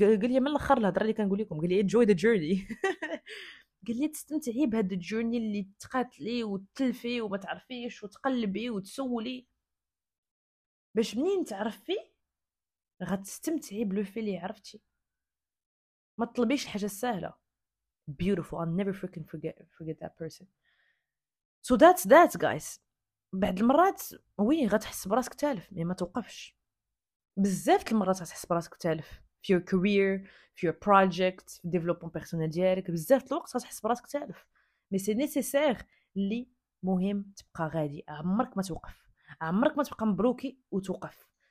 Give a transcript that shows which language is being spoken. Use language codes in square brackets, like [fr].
[ar] قال لي من الاخر الهضره اللي كنقول لكم، قال لي [en] enjoy the journey, [ar] قال لي تستمتعي بهذا الجورني اللي تقاتلي وتلفي وما تعرفيش وتقلبي وتسولي، باش منين تعرفي غتستمتعي بلو في اللي عرفتي. ما تطلبيش الحاجه السهله. [en] Beautiful. I'll never freaking forget that person. So that's that, guys. [ar] بعد المرات وي غتحس براسك تالف، مي ما توقفش. بزاف المرات غتحس براسك تالف في [en] your career، [ar] في [en] your project، [ar] في [fr] development personnel [ar] ديالك. بزاف الوقت غتحس براسك تالف، [fr] مي سي نيسيسير. [ar] اللي مهم تبقى غادي، عمرك ما توقف، عمرك ما تبقى مبروكي وتوقف.